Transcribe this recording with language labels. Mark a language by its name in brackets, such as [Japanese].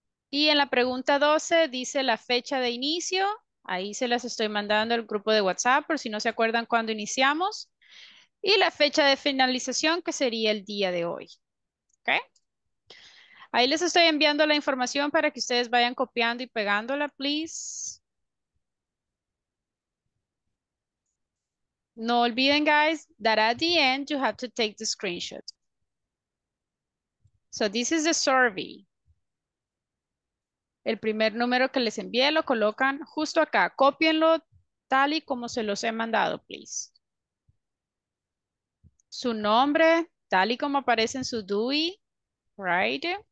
[Spanish] Y en la pregunta 12 dice la fecha de inicio. Ahí se las estoy mandando al grupo de WhatsApp por si no se acuerdan cuándo iniciamos. Y la fecha de finalización, que sería el día de hoy. Okay. Ahí les estoy enviando la información para que ustedes vayan copiando y pegándola, please. No olviden, [English] guys, that at the end, you have to take the screenshot. So this is the survey. [Spanish] El primer número que les envié lo colocan justo acá. Cópienlo tal y como se los he mandado, please. Su nombre, tal y como aparece en su DUI, right?